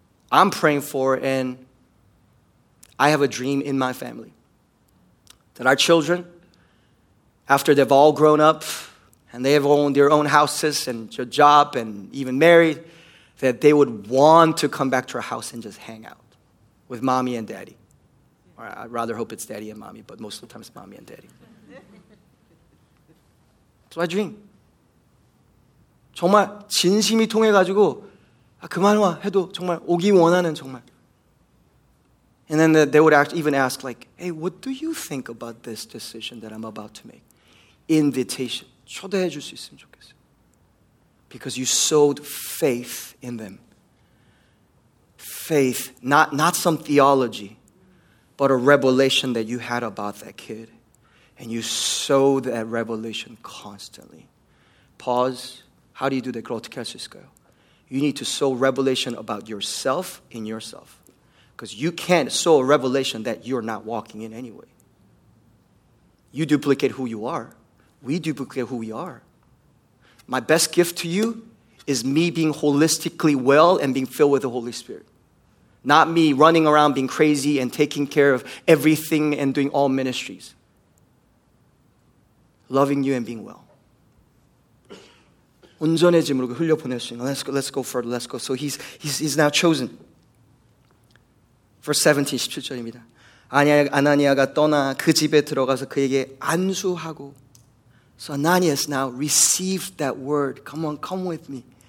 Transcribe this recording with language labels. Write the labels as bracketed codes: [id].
[en] I'm praying for, and I have a dream in my family that our children, after they've all grown up and they have owned their own houses and their job and even married, that they would want to come back to our house and just hang out with mommy and daddy. Or I'd rather hope it's daddy and mommy, but most of the time it's mommy and daddy. That's my dream. [ko] 정말 진심이 통해가지고 아, 그만 와 해도 정말 오기 원하는 정말. [en] And then they would even ask like, hey, what do you think about this decision that I'm about to make? Invitation. [ko] 초대해 줄 수 있으면 좋겠어요. [en] Because you sowed faith in them. Faith, not some theology, but a revelation that you had about that kid. And you sowed that revelation constantly. Pause. How do you do that? [ko] 그걸 어떻게 할 수 있을까요? [en] You need to sow revelation about yourself in yourself. Because you can't sow a revelation that you're not walking in anyway. You duplicate who you are. We duplicate who we are. My best gift to you is me being holistically well and being filled with the Holy Spirit. Not me running around being crazy and taking care of everything and doing all ministries. Loving you and being well. [ko] 온전해짐으로 흘려 보낼 수 있는. [en] Let's go further. Let's go. So he's now chosen. Verse 17, [ko] 17절입니다. 아나니아가 떠나 그 집에 들어가서 그에게 안수하고 [en] So Ananias now received that word. Come on, come with me.